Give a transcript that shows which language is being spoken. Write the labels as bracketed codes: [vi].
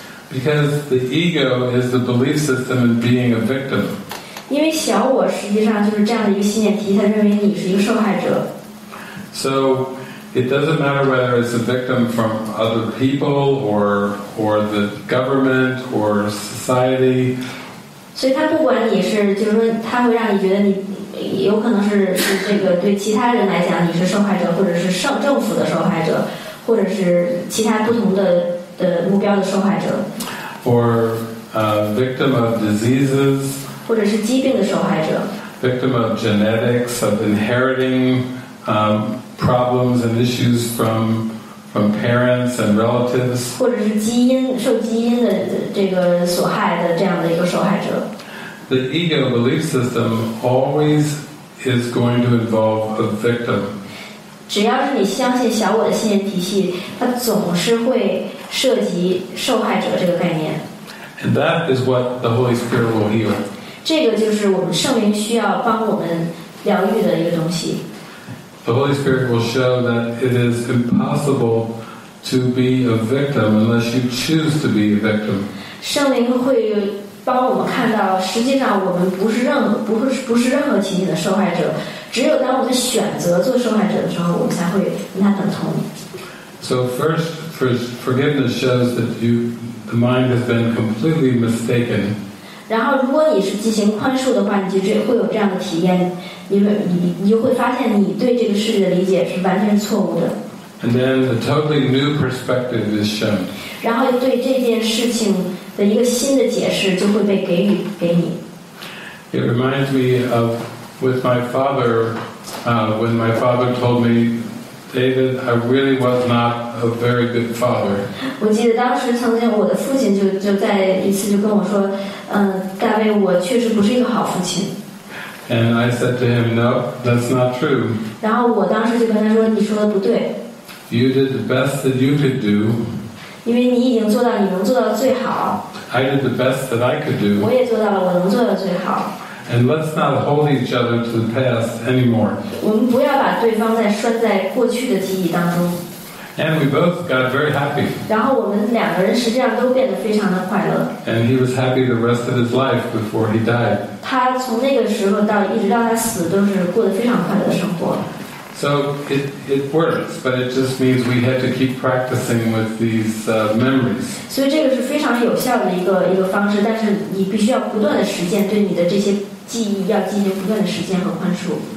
[en] Because the ego is the belief system in being a victim. [zh] 因为小我实际上就是这样的一个信念体系，认为你是一个受害者。 [en] So it doesn't matter whether it's a victim from other people or the government or society. [zh] 所以他不管你是，就是说他会让你觉得你有可能是这个对其他人来讲你是受害者，或者是政府的受害者，或者是其他不同的目标的受害者。 [en] Or a victim of diseases. [zh] 或者是疾病的受害者。 [en] Victim of genetics, of inheriting. Problems and issues from parents and relatives. [zh] 或者是基因受基因的这个所害的这样的一个受害者。 [en] The ego belief system always is going to involve a victim. [zh] 只要是你相信小我的信念体系，它总是会涉及受害者这个概念。 [en] And that is what the Holy Spirit will heal. [zh] 这个就是我们圣灵需要帮我们疗愈的一个东西。 [en] The Holy Spirit will show that it is impossible to be a victim unless you choose to be a victim. [zh] 圣灵会帮我们看到，实际上我们不是任何情形的受害者。只有当我们选择做受害者的时候，我们才会跟他等同。 [en] So first, forgiveness shows that the mind has been completely mistaken. [zh] 然后，如果你是进行宽恕的话，你就会有这样的体验。你会发现你对这个世界的理解是完全错误的。 [en] And then a totally new perspective is shown. [zh] 然后对这件事情的一个新的解释就会被给予给你。 [en] It reminds me of with my father, when my father told me, David, I really was not a very good father. [zh] 我记得当时曾经我的父亲就在一次就跟我说，大卫，我确实不是一个好父亲。 [en] And I said to him, No, that's not true. [zh] 然后我当时就跟他说，你说的不对。 [en] You did the best that you could do. [zh] 因为你已经做到你能做到的最好。 [en] I did the best that I could do. [zh] 我也做到了我能做的最好。 [en] And let's not hold each other to the past anymore. [zh] 我们不要把对方再拴在过去的记忆当中。 [en] And we both got very happy. [zh] 然后我们两个人实际上都变得非常的快乐。 [en] And he was happy the rest of his life before he died. [zh] 他从那个时候到一直到他死都是过得非常快乐的生活。 [en] So it works, but it just means we have to keep practicing with these memories. [zh] 所以这个是非常有效的一个方式，但是你必须要不断的实践，对你的这些记忆要进行不断的实践和宽恕。